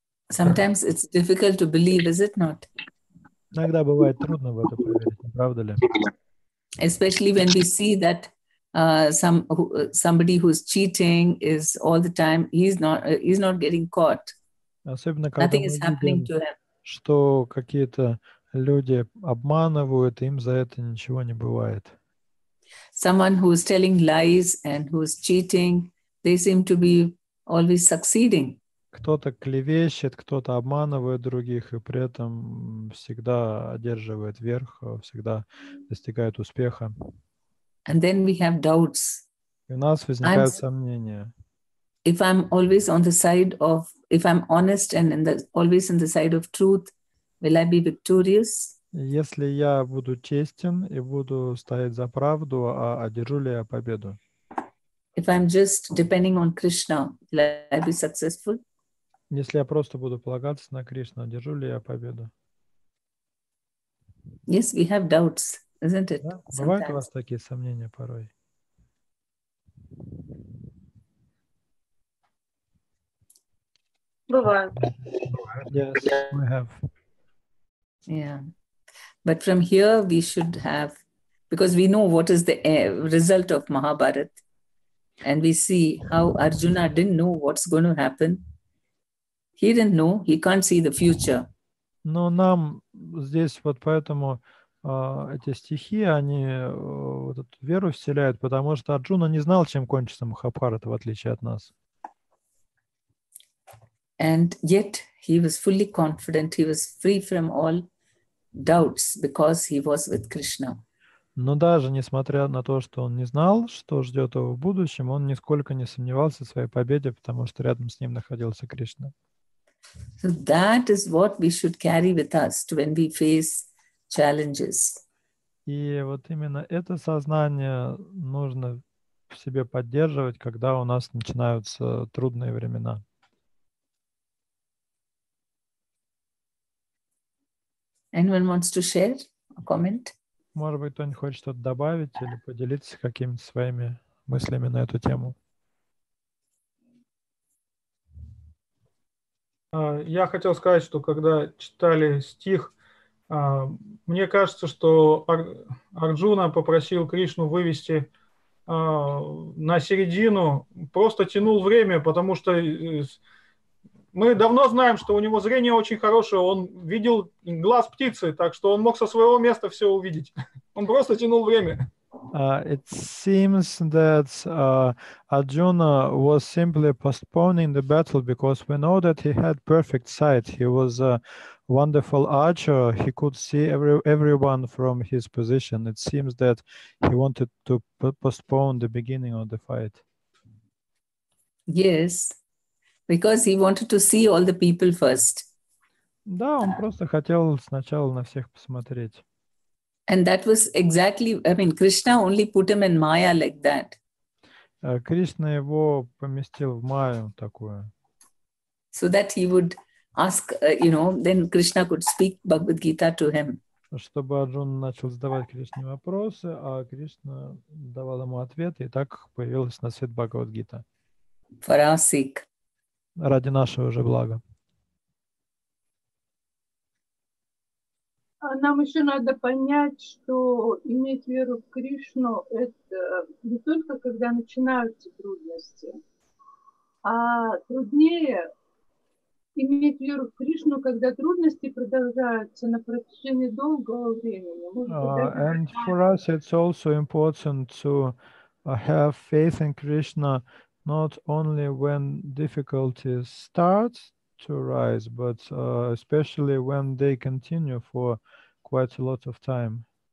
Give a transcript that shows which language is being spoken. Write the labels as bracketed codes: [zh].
[en] Sometimes it's difficult to believe, is it not? [ru] Иногда бывает трудно в это поверить, не правда ли? [en] Especially when we see that somebody who's cheating is all the time, he's not getting caught. [ru] Особенно, когда [en] nothing is happening to him. [ru] Что какие-то люди обманывают, им за это ничего не бывает. [en] Someone who's telling lies and who's cheating, they seem to be always succeeding. [ru] Кто-то клевещет, кто-то обманывает других и при этом всегда одерживает верх, всегда достигает успеха. [en] And then we have doubts. [ru] И у нас возникают сомнения. [en] If I'm always on the side of, if I'm honest and always on the side of truth, will I be victorious? [ru] Если я буду честен и буду стоять за правду, а одержу ли я победу? [en] If I'm just depending on Krishna, will I be successful? [ru] Если я просто буду полагаться на Кришну, одержу ли я победу? [en] Yes, we have doubts, isn't it? [ru] Да? Бывают у вас такие сомнения порой? Бывают. [en] Yes, we have. Yeah. But from here we should have, because we know what is the result of Mahabharata. And we see how Arjuna didn't know what's going to happen. He didn't know. He can't see the future. [ru] Но нам здесь вот поэтому эти стихи, они вот эту веру вселяют, потому что Арджуна не знал, чем кончится Махабхарата, в отличие от нас. [en] And yet he was fully confident. He was free from all doubts because he was with Krishna. [ru] Но даже несмотря на то, что он не знал, что ждет его в будущем, он нисколько не сомневался в своей победе, потому что рядом с ним находился Кришна. [en] So that is what we should carry with us when we face challenges. [ru] И вот именно это сознание нужно в себе поддерживать, когда у нас начинаются трудные времена. [en] Anyone wants to share a comment? [ru] Может быть, кто-нибудь хочет что-то добавить или поделиться какими-то своими мыслями на эту тему? Я хотел сказать, что когда читали стих, мне кажется, что Арджуна попросил Кришну вывести на середину, просто тянул время, потому что мы давно знаем, что у него зрение очень хорошее, он видел глаз птицы, так что он мог со своего места все увидеть. Он просто тянул время. [en] It seems that Arjuna was simply postponing the battle because we know that he had perfect sight. He was a wonderful archer. He could see everyone from his position. It seems that he wanted to postpone the beginning of the fight. Yes, because he wanted to see all the people first. [ru] Да, он просто хотел сначала на всех посмотреть. [en] And that was exactly, I mean, Krishna only put him in Maya like that. [ru] Krishna его поместил в Майю такую. [en] So that he would ask, you know, then Krishna could speak Bhagavad Gita to him. [ru] Чтобы Арджуна начал задавать Кришне вопросы, а Кришна давал ему ответы, и так появилась на свет Бхагавад Гита. [en] For our sake. [ru] Ради нашего же блага. Нам еще надо понять, что иметь веру в Кришну – это не только когда начинаются трудности, а труднее иметь веру в Кришну, когда трудности продолжаются на протяжении долгого времени. [en] And for us it's also important to have faith in Krishna not only when difficulties start to rise, but especially when they continue for quite a lot of time.